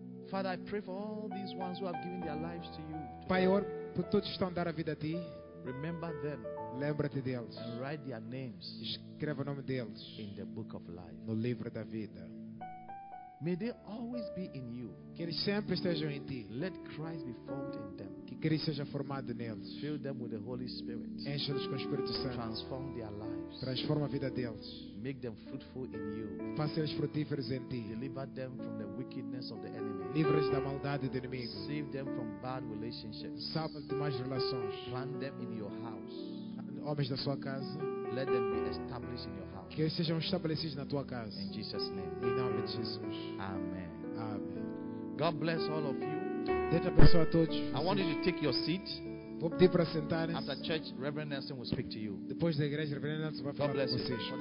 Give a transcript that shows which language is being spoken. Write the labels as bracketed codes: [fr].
[en] Father, I pray for all these ones who have given their lives to you. [pt] Pai, oro por todos que estão a dar a vida a ti. [en] Remember them. [pt] Lembra-te deles. [en] And write their names. [pt] Escreva o nome deles. [en] In the book of life. [pt] No livro da vida. [en] May they always be in you. [pt] Que eles sempre estejam em ti. [en] Let Christ be formed in them. [pt] Que Cristo seja formado neles. [en] Fill them with the Holy Spirit. [pt] Encha-os com o Espírito Santo. [en] Transform their lives. [pt] Transforma a vida deles. [en] Make them fruitful in you. [pt] Faça-os frutíferos em ti. [en] Deliver them from the wickedness of the enemy. [pt] Livra-os da maldade do inimigo. [en] Save them from bad relationships. [pt] Salva-os de más relações. [en] Plant them in your house. [pt] Homens da sua casa. [en] Let them be established in your house. [pt] Que eles sejam estabelecidos na tua casa. [en] In Jesus name. [pt] Em nome de Jesus. [en] Amen. [pt] Amen. [en] God bless all of you. [pt] Deus abençoe a todos. [en] I want you to take your seat. [pt] Vou pedir para sentar-se. [en] After church, Reverend Nelson will speak to you. [pt] Depois da igreja, Reverend Nelson vai falar com vocês.